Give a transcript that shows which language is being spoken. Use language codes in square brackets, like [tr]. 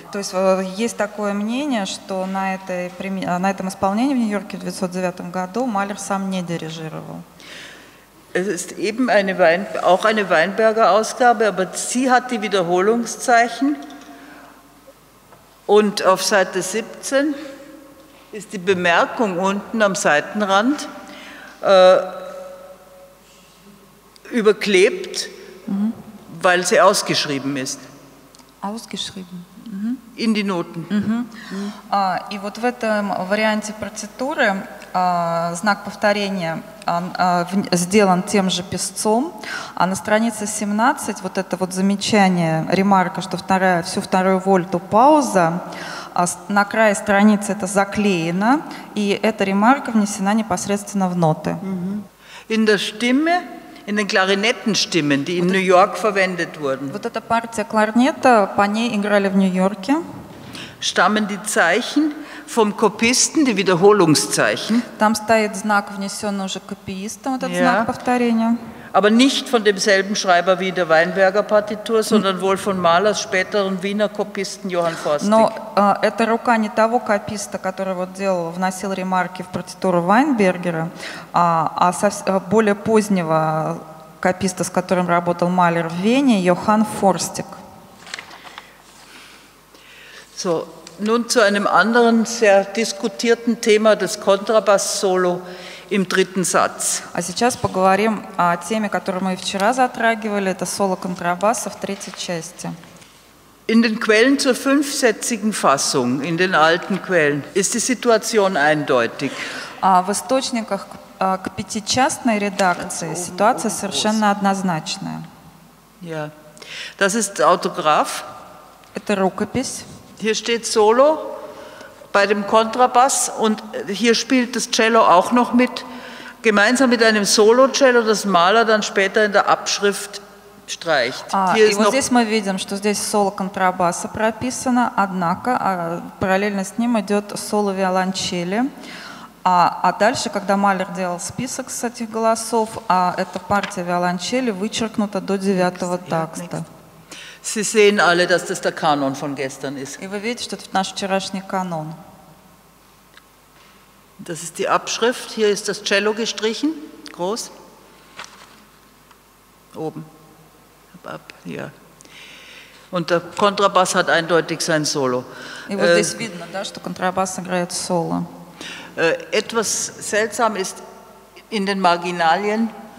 [ru] То есть есть такое мнение, что на этом исполнении в Нью-Йорке в 1909 году Малер сам не дирижировал. [de] Es ist eben auch eine Weinberger Ausgabe, aber sie hat die Wiederholungszeichen. Und auf Seite 17 ist die Bemerkung unten am Seitenrand überklebt, weil sie ausgeschrieben ist. Ausgeschrieben. In die Noten. [ru] И вот в этом варианте партитуры знак повторения сделан тем же писцом, а на странице 17 вот это вот замечание, ремарка, что вторая, всю вторую вольту пауза, на крае страницы это заклеено, и эта ремарка внесена непосредственно в ноты. [de] In der Stimme, in den Klarinettenstimmen, die in New York verwendet wurden. [ru] Вот эта партия кларнета, по ней играли в Нью-Йорке. [de] Stammen die Zeichen vom Kopisten, die Wiederholungszeichen. [ru] Там стоит знак, внесенный уже копиистом, вот этот знак повторения. [de] Aber nicht von demselben Schreiber wie in der Weinberger Partitur, sondern wohl von Mahlers späteren Wiener Kopisten Johann Forstig. [ru] Но это рука не того кописта, который вот делал, вносил ремарки в партитуру Вайнбергера, а более позднего кописта, с которым работал Малер в Вене, Johann Forstig. [de] So, nun zu einem anderen sehr diskutierten Thema, das Kontrabass-Solo im dritten Satz. [ru] А сейчас поговорим о теме, которую мы вчера затрагивали, это соло контрабасса в третьей части. [de] In den Quellen zur fünfsätzigen Fassung, in den alten Quellen, ist die Situation eindeutig. [ru] В источниках к пятичастной редакции ситуация совершенно однозначная. [de] Ja, das ist Autograph. [ru] Это рукопись. [de] Hier steht Solo bei dem Kontrabass und hier spielt das Cello auch noch mit, gemeinsam mit einem Solo-Cello, das Mahler dann später in der Abschrift streicht. Hier ist noch, [ru] здесь мы видим, что здесь соло контрабаса прописано, однако параллельно с ним идет соло виолончели. А дальше, когда Малер делал список с этих голосов, эта партия виолончели вычеркнута до девятого такта. [de] Sie sehen alle, dass das der Kanon von gestern ist. [ru] И вы видите, что это наш вчерашний канон. [de] Das ist die Abschrift. Hier ist das Cello gestrichen. Groß. Oben. Ja. Und der Kontrabass hat eindeutig sein Solo. [ru] И вот здесь видно, да, что контрабас играет соло. [de] Etwas seltsam ist in den Marginalien.